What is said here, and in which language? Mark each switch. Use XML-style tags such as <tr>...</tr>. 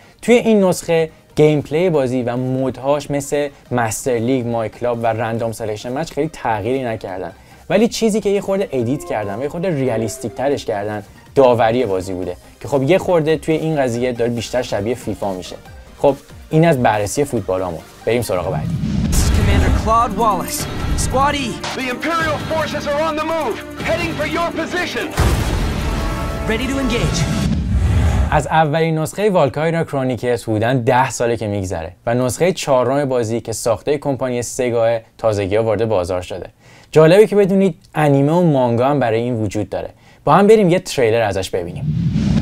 <fa>توی این نسخه گیم پلی بازی و مودهاش مثل مستر لیگ، مای کلاب و رندوم سلکشن مچ خیلی تغییری نکردن، ولی چیزی که یه خورده ادیت کردن و یه خورده ریالیستیک ترش کردن داوری بازی بوده، که خب یه خورده توی این قضیه داره بیشتر شبیه فیفا میشه. خب این از بررسی فوتبالامون، بریم سراغ بعدی.</fa> <en>Squaddy, the Imperial forces are on the move, heading for your position. Ready to engage.</en> <fa>از اولین نسخه والکایرا کرونیکلز بودن 10 ساله که میگذره و نسخه چهارم بازی که ساخته کمپانی سگا تازگی وارد بازار شده. جالبه که بدونید انیمه و مانگا هم برای این وجود داره. با هم بریم یه تریلر ازش ببینیم.</fa>